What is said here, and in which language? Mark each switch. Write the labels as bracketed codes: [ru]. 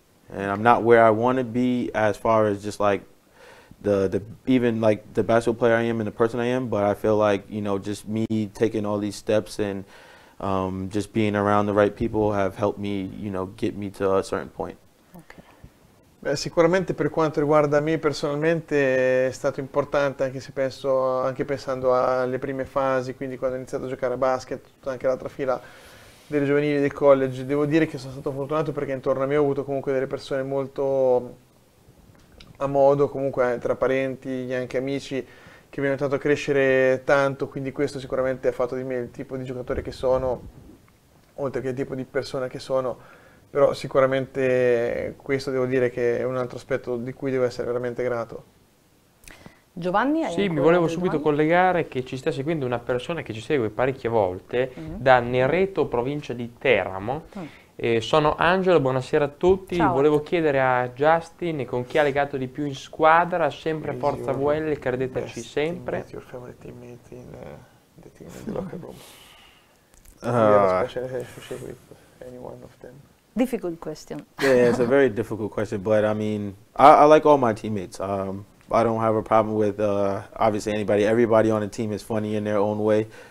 [en] And I'm not where I want to be as far as just like the even like the basketball player I am and the person I am, but I feel like, you know, just me taking all these steps and just being around the right people have helped me, you know, get me to a certain point. [it] Beh, sicuramente per quanto riguarda me personalmente è stato importante, anche se penso, anche pensando alle prime fasi, quindi quando ho iniziato a giocare a basket, tutta anche l'altra fila delle giovanili del college. Devo dire che sono stato fortunato perché intorno a me ho avuto comunque delle persone molto a modo, comunque tra parenti e anche amici, che mi hanno aiutato a crescere tanto, quindi questo sicuramente ha fatto di me il tipo di giocatore che sono, oltre che il tipo di persona che sono. Però sicuramente questo devo dire che è un altro aspetto di cui devo essere veramente grato. Giovanni, hai sì, mi volevo subito Giovanni? Collegare che ci sta seguendo una persona che ci segue parecchie volte, mm-hmm. da Nereto, provincia di Teramo. Mm. Sono Angelo, buonasera a tutti. Ciao. Volevo chiedere a Justin con chi ha legato di più in squadra, sempre Easy Forza VL, credeteci sempre. [en] Your family teammate in the team in the locker room. Especially associated with any one of them. Difficult question. Yeah, it's a very difficult question, but I mean, I like all my teammates. I don't have a problem with obviously anybody. Everybody on the team is funny in their own way.